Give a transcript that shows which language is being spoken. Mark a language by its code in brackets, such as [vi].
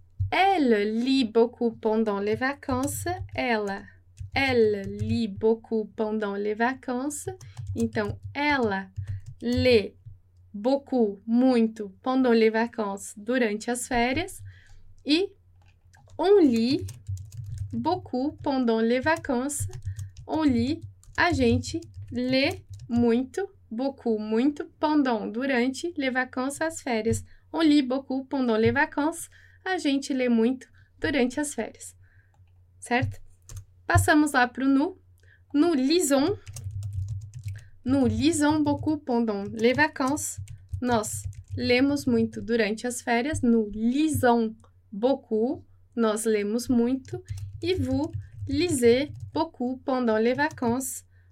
[fr] Elle lit beaucoup pendant les vacances, [pt] ela. [fr] Elle lit beaucoup pendant les vacances. [pt] Então, ela lê [fr] beaucoup, [pt] muito, [fr] pendant les vacances, [pt] durante as férias. E [fr] on lit beaucoup pendant les vacances. On lit, [pt] a gente lê muito, [fr] beaucoup, [pt] muito, [fr] pendant, [pt] durante, [fr] les vacances, [pt] as férias. [fr] On lit beaucoup pendant les vacances. [pt] A gente lê muito durante as férias. Certo? Passamos lá para o nous. [fr] Nous lisons. Nous lisons beaucoup pendant les vacances. [pt] Nós lemos muito durante as férias. [fr] Nous lisons beaucoup. [pt] Nós lemos muito. E [fr] vous lisez beaucoup pendant les vacances.